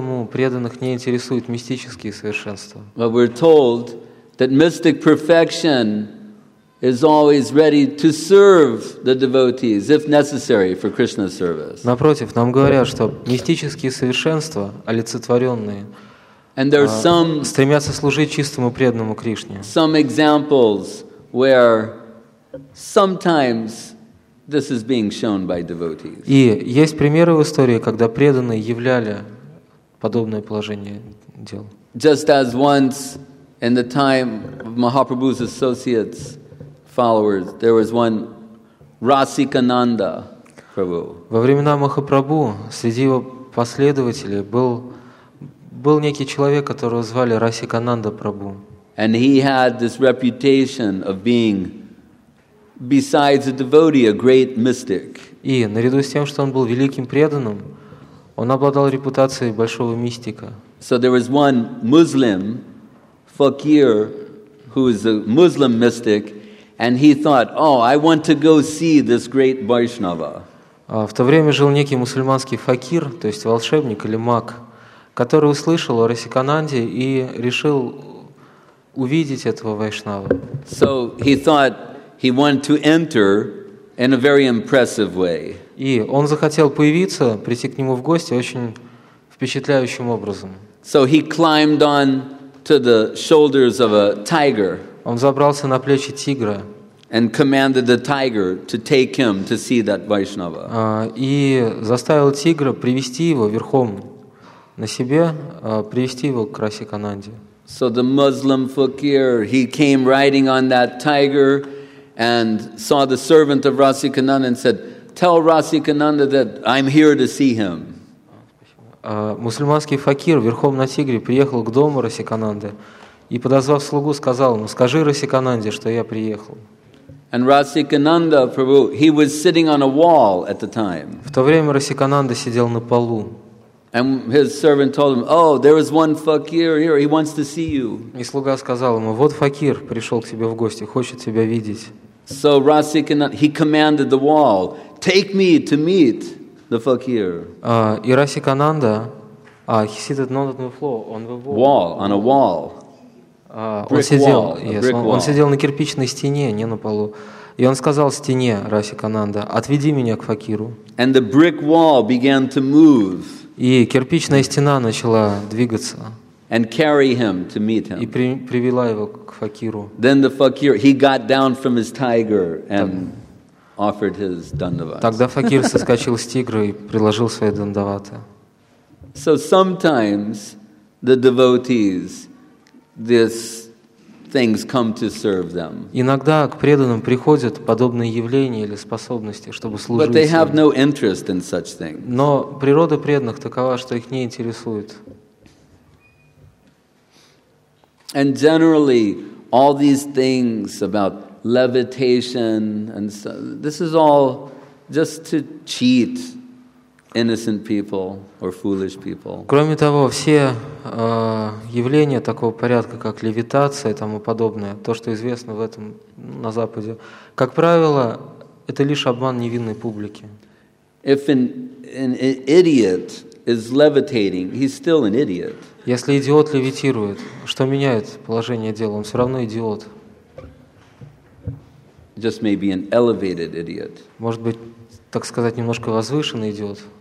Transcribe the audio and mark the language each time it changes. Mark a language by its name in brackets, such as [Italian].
[Russian] Преданных не интересуют мистические совершенства. [English] But we're told that mystic perfection is always ready to serve the devotees if necessary for Krishna's service. [Russian] Напротив, нам говорят, что мистические совершенства, олицетворенные, [English] and there are some [Russian] стремятся служить чистому преданному Кришне. [English] Some examples where sometimes this is being shown by devotees. [Russian] И есть примеры в истории, когда преданные являли подобное положение дел. [English] Just as once in the time of Mahaprabhu's associates. Followers. There was one Rasikananda Prabhu. [Russian] Во времена Махапрабху среди его последователей был некий человек, которого звали Расикананда Прабху. [English] And he had this reputation of being, besides a devotee, a great mystic. [Russian] И наряду с тем, что он был великим преданным, он обладал репутацией большого мистика. [English] So there was one Muslim fakir who is a Muslim mystic. And he thought, "Oh, I want to go see this great Vaishnava." [Russian] В то время жил некий мусульманский факир, то есть волшебник или маг, который услышал о Расикананде и решил увидеть этого вайшнава. [English] So he thought he wanted to enter in a very impressive way. [Russian] И он захотел появиться, прийти к нему в гости очень впечатляющим образом. [English] So he climbed on to the shoulders of a tiger. [Russian] Он забрался на плечи тигра. [English] And commanded the tiger to take him to see that Vaishnava. [Russian] И заставил тигра привести его верхом на себе, привести его к Расикананде. [English] So the Muslim fakir, he came riding on that tiger and saw the servant of Rasikananda and said, "Tell Rasikananda that I'm here to see him." [Russian] Мусульманский факир верхом на тигре приехал к дому Расикананды и, подозвав слугу, сказал ему: «Скажи Расикананде, что я приехал». [English] And Rasikananda Prabhu, he was sitting on a wall at the time. [Russian] В то время Расикананда сидел на полу. [English] And his servant told him, "Oh, there is one fakir here. He wants to see you." [Russian] И слуга сказал ему: "Вот факир пришел к тебе в гости, хочет тебя видеть." [English] So Rasikananda, he commanded the wall, "Take me to meet the fakir." И Расикананда, he seated not on the floor, on the wall. On a wall. [Russian] Он сидел на кирпичной стене, не на полу. И он сказал стене Расикананда: «Отведи меня к факиру». [English] And the brick wall began to move. [Russian] И кирпичная стена начала двигаться. [English] And carry him to meet him. [Russian] И привела его к факиру. [English] Then the fakir, he got down from his tiger and offered his dandavat. [Russian] Тогда факир соскочил с тигра и предложил свои дандаваты. [English] So sometimes the devotees, these things come to serve them. [Russian] Иногда к преданным приходят подобные явления или способности, чтобы служить. [English] But they have no interest in such things. [Russian] Но природа преданных такова, что их не интересует. [English] And generally, all these things about levitation and so, this is all just to cheat innocent people or foolish people. [Russian] Кроме того, все явления такого порядка, как левитация и тому подобное, то, что известно в этом на Западе, как правило, это лишь обман невинной публики. [English] If an idiot is levitating, he's still an idiot. [Russian] Если идиот левитирует, что меняет положение дела? Он все равно идиот. [English] Just maybe an elevated idiot. [Russian] Может быть, так сказать, немножко возвышенный идиот.